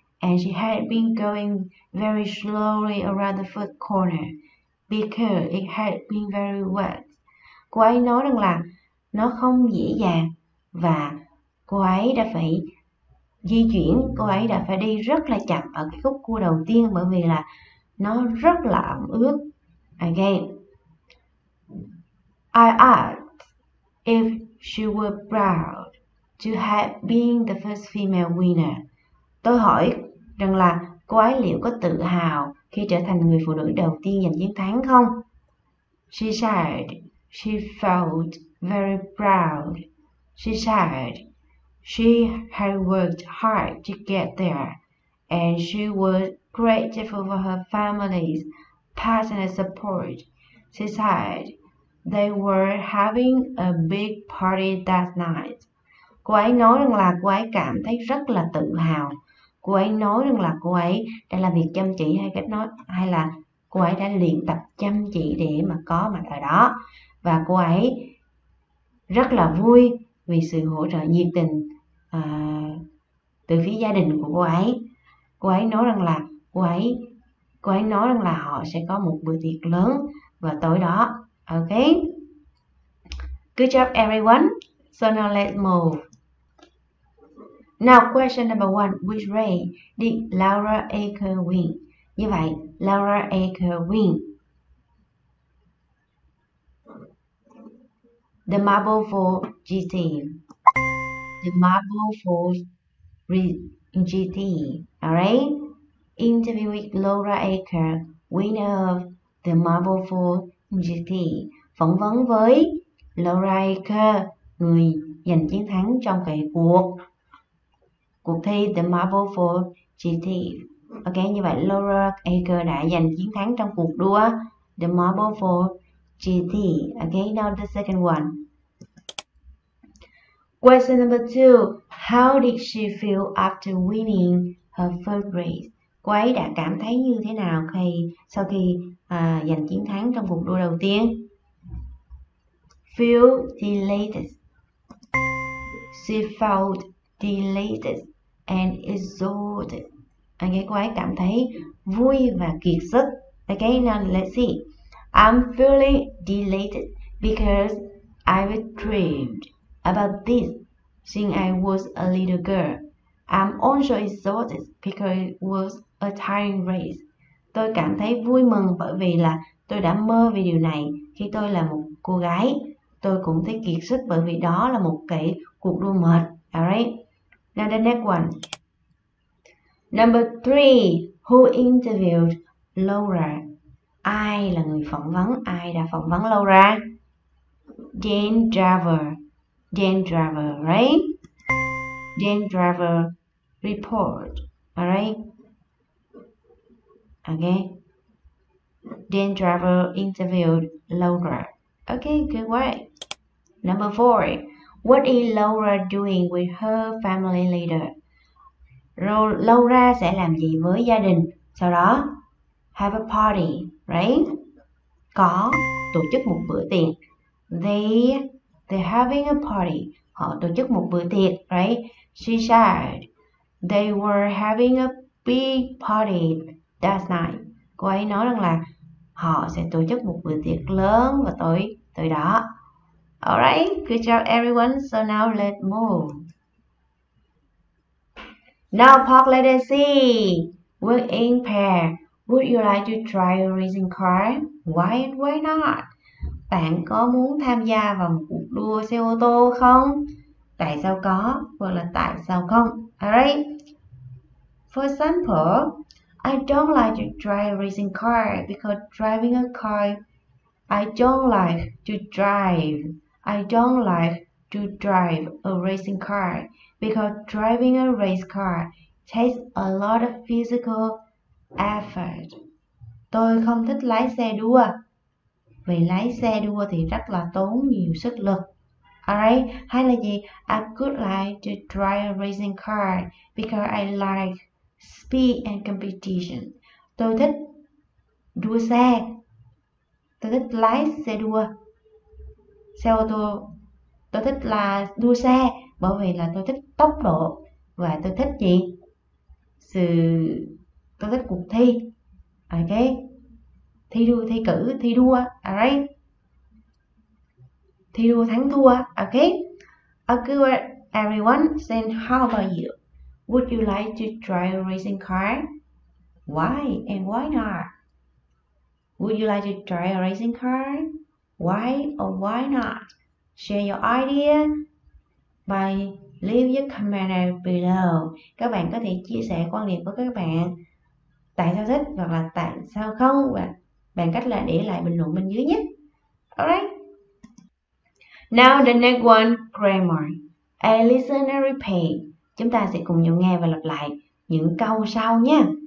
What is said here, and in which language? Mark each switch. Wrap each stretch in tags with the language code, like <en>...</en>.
<en>And she had been going very slowly around the first corner because it had been very wet.</en> <vi>Cô ấy nói rằng là nó không dễ dàng và cô ấy đã phải di chuyển, cô ấy đã phải đi rất là chậm ở cái khúc cua đầu tiên bởi vì là nó rất là ẩm ướt.</vi> <en>Again, asked if she were proud to have been the first female winner.</en> <vi>Tôi hỏi rằng là cô ấy liệu có tự hào khi trở thành người phụ nữ đầu tiên giành chiến thắng không?</vi> <en>She said she felt very proud. She said she had worked hard to get there and she was grateful for her family's passionate support. She said they were having a big party that night.</en> <vi>Cô ấy nói rằng là cô ấy cảm thấy rất là tự hào. Cô ấy nói rằng là cô ấy đã làm việc chăm chỉ hay cách nói hay là cô ấy đã luyện tập chăm chỉ để mà có mặt ở đó. Và cô ấy rất là vui vì sự hỗ trợ nhiệt tình từ phía gia đình của cô ấy. Cô ấy nói rằng là cô ấy nói rằng là họ sẽ có một bữa tiệc lớn vào tối đó.</vi> <en>Ok. Good job everyone. So now let's move. Now question number one, which race did Laura Aker win?</en> <vi>Như vậy,</vi> <en>Laura Aker win the Marble 4 GT. The Marble 4 GT. Alright. Interview with Laura Aker, winner of the Marble 4 GT.</en> <vi>Phỏng vấn với Laura Aker, người giành chiến thắng trong cái cuộc thi The Marble 4 GT. Ok, như vậy Laura Aker đã giành chiến thắng trong cuộc đua The Marble 4 GT.</vi> <en>Ok, now the second one. Question number two. How did she feel after winning her first race?</en> <vi>Cô ấy đã cảm thấy như thế nào khi sau khi giành chiến thắng trong cuộc đua đầu tiên?</vi> <en>Feel delighted. She felt delighted and exhausted.</en> <vi>Okay, cô ấy cảm thấy vui và kiệt sức.</vi> <en>Okay, now let's see. I'm feeling delighted because I've dreamed about this since I was a little girl. I'm also exhausted because it was a tiring race.</en> <vi>Tôi cảm thấy vui mừng bởi vì là tôi đã mơ về điều này khi tôi là một cô gái. Tôi cũng thấy kiệt sức bởi vì đó là một cái cuộc đua mệt.</vi> <en>Alright. Now the next one. Number three, who interviewed Laura?</en> <vi>Ai là người phỏng vấn? Ai đã phỏng vấn Laura? Dan Driver.</vi> <en>Dan Driver, right? Dan Driver report. Alright. Okay. Dan Driver interviewed Laura. Okay, good work. Number four. What is Laura doing with her family later?</en> <vi>Laura sẽ làm gì với gia đình sau đó?</vi> <en>Have a party, right?</en> <vi>Có tổ chức một bữa tiệc.</vi> <en>They're having a party.</en> <vi>Họ tổ chức một bữa tiệc, right?</vi> <en>She said they were having a big party that night.</en> <vi>Cô ấy nói rằng là họ sẽ tổ chức một bữa tiệc lớn vào tối tối đó.</vi> <en>Alright, good job everyone. So now let's move. Now park, let us see. Work in pair. Would you like to try a racing car? Why not?</en> <vi>Bạn có muốn tham gia vào một cuộc đua xe ô tô không? Tại sao có? Hoặc là tại sao không? Alright.</vi> <en>For example, I don't like to drive a racing car because driving a car, I don't like to drive a racing car because driving a race car takes a lot of physical effort.</en> <vi>Tôi không thích lái xe đua vì lái xe đua thì rất là tốn nhiều sức lực. Alright, hay là gì?</vi> <en>I could like to drive a racing car because I like speed and competition.</en> <vi>Tôi thích đua xe. Tôi thích lái xe đua. Xe ô tô. Tôi thích là đua xe bởi vì là tôi thích tốc độ và tôi thích gì? Sự tôi thích cuộc thi. Ok. thi đua, alright, thi đua thắng thua, okay.</vi> <en>Everyone, then how about you? Would you like to try a racing car? Why and why not? Would you like to try a racing car? Why or why not? Share your idea by leave your comment down below.</en> <vi>Các bạn có thể chia sẻ quan điểm của các bạn tại sao thích hoặc là tại sao không và bằng cách là để lại bình luận bên dưới nhé. Alright.</vi> <en>Now the next one, grammar. A listen and repeat.</en> <vi>Chúng ta sẽ cùng nhau nghe và lặp lại những câu sau nhé.</vi>